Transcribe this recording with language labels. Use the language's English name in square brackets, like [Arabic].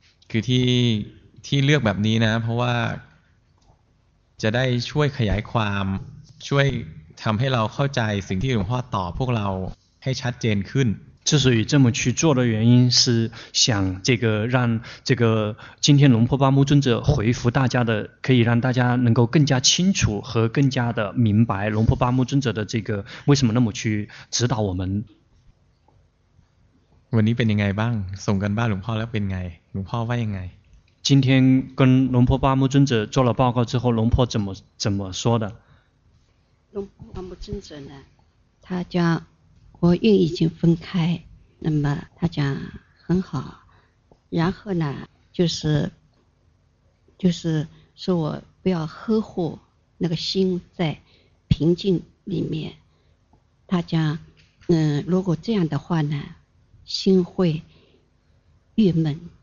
[Thai] คือที่เลือกแบบนี้นะเพราะว่าจะได้ช่วยขยายความช่วยทำให้เราเข้าใจสิ่งที่หลวงพ่อตอบพวกเราให้ชัดเจนขึ้น [Chinese] 之所以这么去做的原因是想这个让这个今天龙婆巴木尊者回复大家的可以让大家能够更加清楚和更加的明白龙婆巴木尊者的这个为什么那么去指导我们 [Thai] วันนี้เป็นยังไงบ้างส่งกันบ้านหลวงพ่อแล้วเป็นไงหลวงพ่อว่ายังไง [Chinese] 今天跟龙婆巴木尊者做了报告之后龙婆怎么说的龙婆巴木尊者呢他讲我运已经分开那么他讲很好然后呢就是说我不要呵护那个心在平静里面他讲如果这样的话呢心会郁闷